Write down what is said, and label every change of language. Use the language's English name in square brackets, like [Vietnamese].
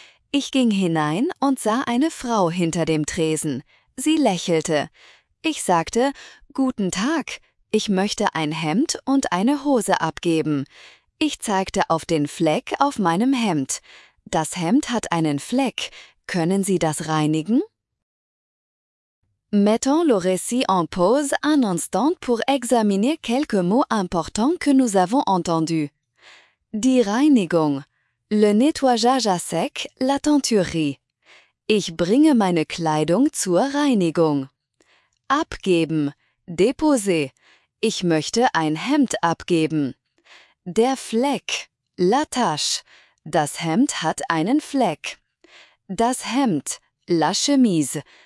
[German] Ich ging hinein und sah eine Frau hinter dem Tresen. Sie lächelte. Ich sagte, »Guten Tag, ich möchte ein Hemd und eine Hose abgeben.« Ich zeigte auf den Fleck auf meinem Hemd. »Das Hemd hat einen Fleck.« Können Sie das reinigen? [French] Mettons le récit en pause un instant pour examiner quelques mots importants que nous avons entendus. [German] Die Reinigung. [French] Le nettoyage à sec, la teinturerie. [German] Ich bringe meine Kleidung zur Reinigung. Abgeben. Déposer. Ich möchte ein Hemd abgeben. Der Fleck. [French] La tache. [German] Das Hemd hat einen Fleck. Das Hemd, [French] la chemise.